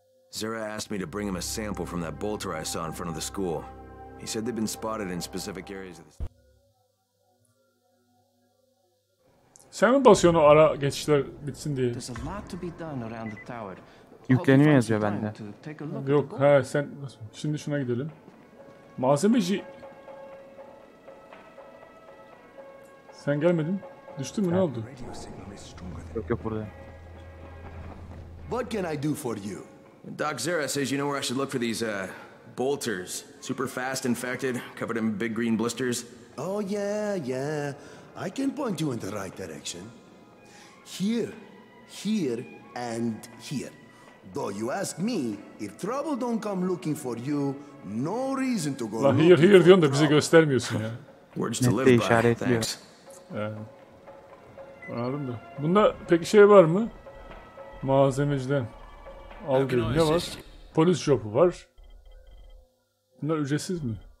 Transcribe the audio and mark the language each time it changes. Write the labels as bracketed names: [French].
[English] Zara asked me to bring him a sample from that bolter I saw in front of the school. He said they've been spotted in specific areas of the... [Turkish] Sen mi basıyorsun o ara geçişler bitsin diye? [English] There's a lot to be done around the tower. [Turkish] Yükleniyor yazıyor bende. Yok, ha sen şimdi şuna gidelim. Malzemeci. Sen gelmedin. Düştün mü, ne oldu? Yok yok, burada. [English] What can I do for you? Doc Zara says you know where I should look for these bolters. Super fast infected, covered in big green blisters. Oh yeah, yeah. I can point you in the right direction. Here, here and here. Though you ask me, if trouble don't come looking for you, no reason to go. [Turkish] Lan [English] here here [Turkish] diyorsun da bize göstermiyorsun ya. [English] Words to live by. Thanks. [Turkish] Anladım da. Bunda peki şey var mı? Malzemeciden. Aldı. Ne var? Polis jopu var. Bunlar ücretsiz mi?